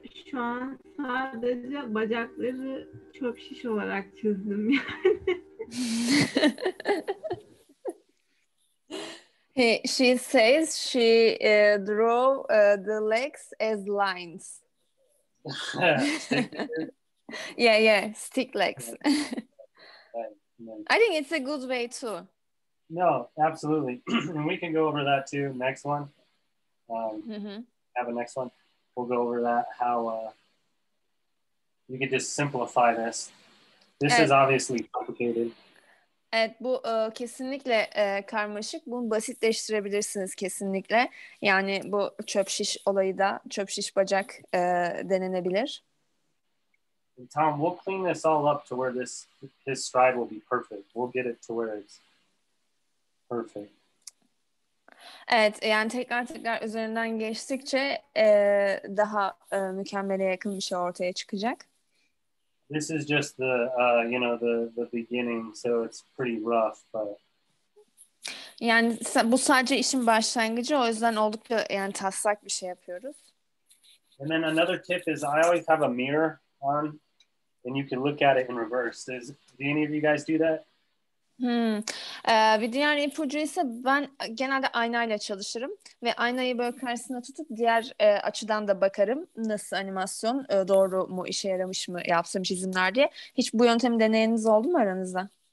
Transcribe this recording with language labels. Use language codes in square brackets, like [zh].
[tr] Şu an sadece bacakları çöp şiş olarak çizdim yani. [en] She says she drew the legs as lines. Yeah, yeah, stick legs. I think it's a good way too. No, absolutely. And we can go over that too next one. Have a next one. We'll go over that, how you could just simplify this. This is obviously complicated. [tr] Evet, bu kesinlikle karmaşık. Bunu basitleştirebilirsiniz kesinlikle. Yani bu çöp şiş olayı da, çöp şiş bacak denenebilir. [en] Tom, we'll clean this all up to where his stride will be perfect. We'll get it to where it's perfect. [tr] Evet, yani tekrar üzerinden geçtikçe daha mükemmele yakın bir şey ortaya çıkacak. [en] This is just the you know, the beginning, so it's pretty rough, but [tr] yani bu sadece işin başlangıcı, o yüzden oldukça yani taslak bir şey yapıyoruz. [en] And then another tip is I always have a mirror on and you can look at it in reverse. Do any of you guys do that? [tr] Bir diğer ipucu ise ben genelde aynayla çalışırım ve aynayı böyle karşısına tutup diğer açıdan da bakarım, nasıl animasyon doğru mu, işe yaramış mı yapsam çizimler diye. Hiç bu yöntemi deneyeniniz oldu mu aranızda?